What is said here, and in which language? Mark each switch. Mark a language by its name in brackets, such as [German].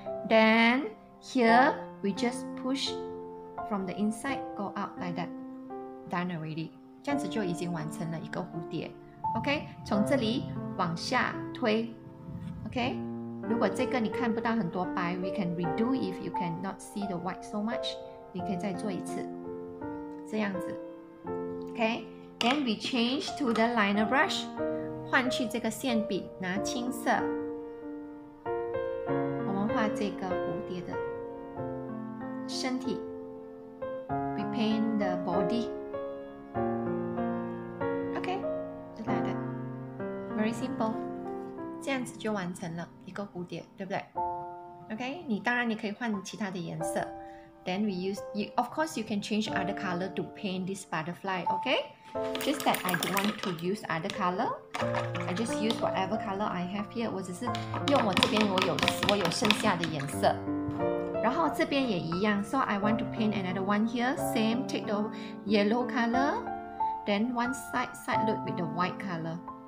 [English] Then here we just push from the inside, go out like that. Done already. [Chinese] 这样子就已经完成了一个蝴蝶。 OK, 从这里往下推。OK, 如果这个你看不到很多白 ， [English] we can redo if you cannot see the white so much. [Chinese] 你可以再做一次，这样子。 [English] OK, then we change to the liner brush, [Chinese] 换去这个线笔，拿青色。这个蝴蝶的身体 ， [English] we paint the body. Okay, just like that. Very simple. [Chinese] 这样子就完成了一个蝴蝶，对不对 ？Okay, 你当然你可以换其他的颜色。 [English] Then we use, of course, you can change other color to paint this butterfly. Okay, just that I don't want to use other color. I just use whatever color I have here. [Chinese] 我只是用我这边我有剩下的颜色，然后这边也一样。 [English] So I want to paint another one here. Same, take the yellow color, then one side look with the white color.